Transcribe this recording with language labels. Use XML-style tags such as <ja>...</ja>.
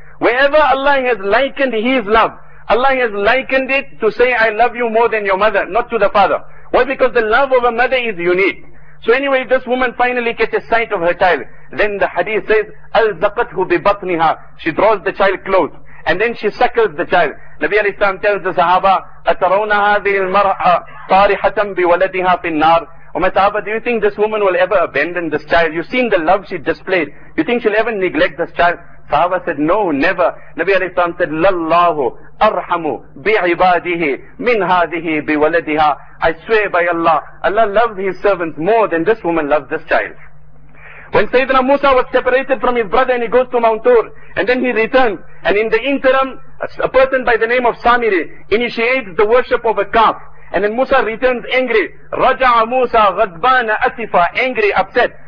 <en>Wherever Allah has likened His love, Allah has likened it to say, I love you more than your mother, not to the father. Why? Because the love of a mother is unique. So anyway, this woman finally catches sight of her child. Then the hadith says,</en> <ar>أَلْزَقَتْهُ بِبَطْنِهَا.</ar> <en>She draws the child close. And then she suckles the child. Nabi alayhi salam tells the Sahaba,</en> <ar>أَتَرَوْنَ هَذِهِ الْمَرْأَ طَارِحَةً بِوَلَدِهَا فِي النَّارِ.</ar> <en>O my Sahaba, do you think this woman will ever abandon this child? You've seen the love she displayed. You think she'll ever neglect this child? Sahaba said, no, never. Nabi alayhi salam said,</en> <ar>لَاللَّهُ أَرْحَمُ بِعِبَادِهِ مِنْ هَذِهِ بِوَلَدِهَا.</ar> <en>I swear by Allah, Allah loves His servants more than this woman loves this child. When Sayyidina Musa was separated from his brother and he goes to Mount Tur, and then he returns, and in the interim, a person by the name of Samiri initiates the worship of a calf. And then Musa returns angry.</en> <ar>رَجَعَ مُوسَى غَضْبَانَ أَسِفًا.</ar> <en>Angry, upset.</en>